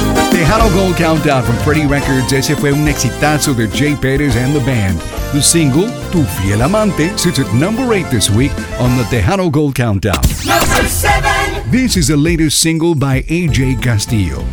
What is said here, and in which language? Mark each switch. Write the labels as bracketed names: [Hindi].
[English] Tejano Gold Countdown from Freddy Records. [Spanish] Ese fue un exitazo de Jay Perez and the band. [English] The single, Tu Fiel Amante, sits at number 8 this week on the Tejano Gold Countdown. Number 7! This is the latest single by AJ Castillo.